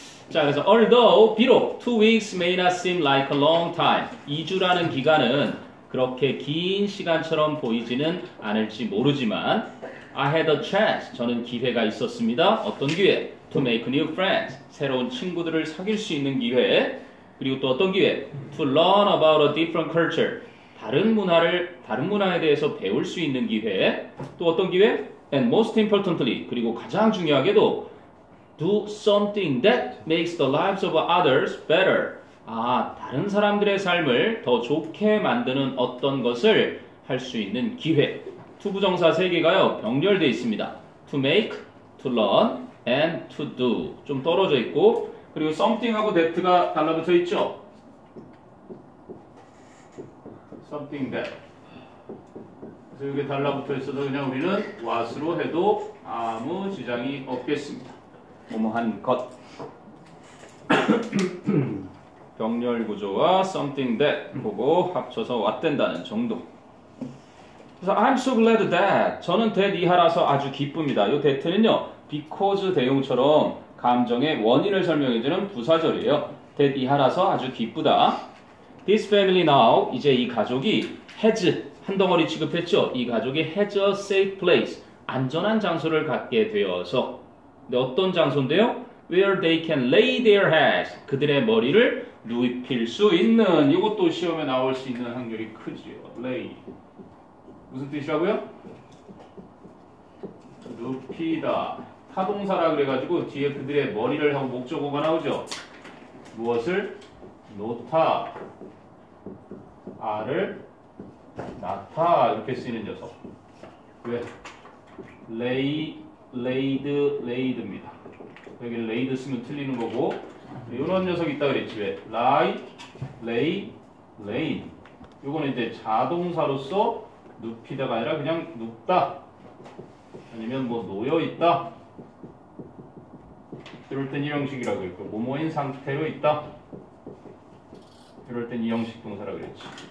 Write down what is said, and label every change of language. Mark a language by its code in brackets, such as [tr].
[en] 자, 그래서 although 비록 two weeks may not seem like a long time, [ko] 2주라는 기간은 그렇게 긴 시간처럼 보이지는 않을지 모르지만 [en] I had a chance, [ko] 저는 기회가 있었습니다. 어떤 기회? [en] To make new friends, [ko] 새로운 친구들을 사귈 수 있는 기회. 그리고 또 어떤 기회? [en] To learn about a different culture, [ko] 다른 문화에 대해서 배울 수 있는 기회. 또 어떤 기회? [en] And most importantly, [ko] 그리고 가장 중요하게도 [en] Do something that makes the lives of others better. [ko] 아, 다른 사람들의 삶을 더 좋게 만드는 어떤 것을 할 수 있는 기회. 투 부정사 세 개가요, 병렬되어 있습니다. [en] To make, to learn, and to do. [ko] 좀 떨어져 있고, 그리고 something하고 that가 달라붙어 있죠? Something that. 그래서 이게 달라붙어 있어도 그냥 우리는 what으로 해도 아무 지장이 없겠습니다. 뭐뭐한 것. 병렬 구조와 something that 보고 합쳐서 what 된다는 정도. 그래서 [en] I'm so glad that. [ko] 저는 that 이하라서 아주 기쁩니다. 요 that는요, because 대용처럼 감정의 원인을 설명해주는 부사절이에요. that 이하라서 아주 기쁘다. [en] This family now, [ko] 이제 이 가족이 has, 한 덩어리 취급했죠. 이 가족이 [en] has a safe place, [ko] 안전한 장소를 갖게 되어서. 근데 어떤 장소인데요? [en] Where they can lay their heads, [ko] 그들의 머리를 눕힐 수 있는. 이것도 시험에 나올 수 있는 확률이 크지요. lay. 무슨 뜻이라고요? 눕히다. 타동사라 그래가지고 뒤에 그들의 머리를 하고 목적어가 나오죠. 무엇을? 놓다. 알을 놔다. 이렇게 쓰이는 녀석. 왜? [en] lay, laid, laid입니다. [ko] 여기 laid 쓰면 틀리는 거고 이런 녀석이 있다 그랬지. [en] 왜? lie, lay, lain. [ko] 이거는 이제 자동사로서 눕히다가 아니라 그냥 눕다 아니면 뭐 놓여있다 이럴 땐 이 형식이라고 했고, 뭐뭐인 상태로 있다 이럴 땐 이 형식 동사라고 그랬지.